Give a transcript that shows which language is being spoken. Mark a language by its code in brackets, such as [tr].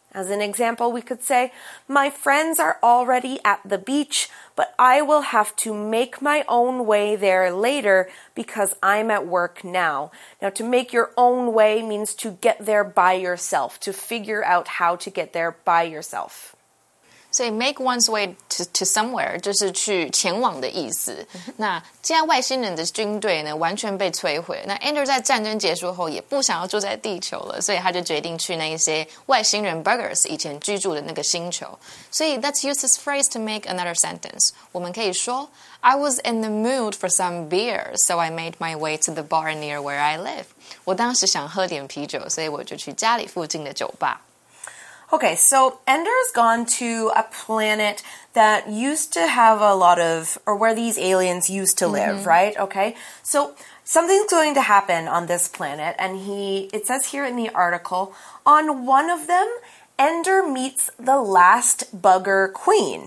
[en] As an example, we could say, my friends are already at the beach, but I will have to make my own way there later because I'm at work now. Now, to make your own way means to get there by yourself, to figure out how to get there by yourself. So make one's way to somewhere, [zh] 就是去前往的意思。那既然外星人的军队呢完全被摧毁，那 Ender 在战争结束后也不想要住在地球了，所以他就决定去那一些外星人 Buggers 以前居住的那个星球。所以 [en] let's use this phrase to make another sentence. [zh] 我们可以说 [en] I was in the mood for some beer, so I made my way to the bar near where I live. [zh] 我当时想喝点啤酒，所以我就去家里附近的酒吧。 [en] Okay, so Ender has gone to a planet that used to have a lot of, or where these aliens used to live,、mm-hmm. right? Okay, so something's going to happen on this planet, and it says here in the article, on one of them, Ender meets the last bugger queen.